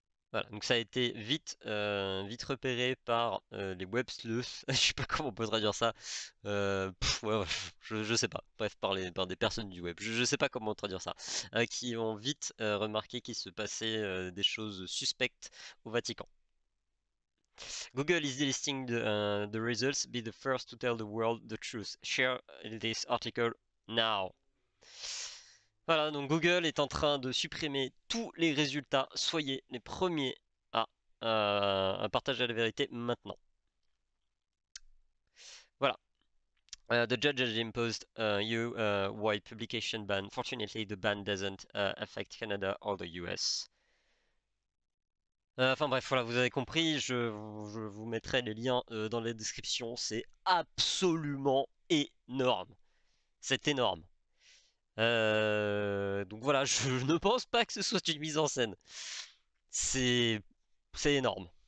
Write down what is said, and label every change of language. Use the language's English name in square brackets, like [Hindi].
[French] Voilà, donc ça a été vite repéré par les [English] web sleuths. [French] Je sais pas comment on peut traduire ça. Je sais pas. Bref, par des personnes du web. Je sais pas comment traduire ça. Qui ont vite remarqué qu'il se passait des choses suspectes au Vatican. [English] Google is delisting the results. Be the first to tell the world the truth. Share this article now. [French] Voilà, donc Google est en train de supprimer tous les résultats. Soyez les premiers à partager la vérité maintenant. [English] The judge has imposed EU-wide publication ban. Fortunately, the ban doesn't affect Canada or the US. [French] Enfin bref, voilà, vous avez compris. Je vous mettrai les liens dans la description. C'est absolument énorme. C'est énorme. Donc voilà, je ne pense pas que ce soit une mise en scène. C'est énorme.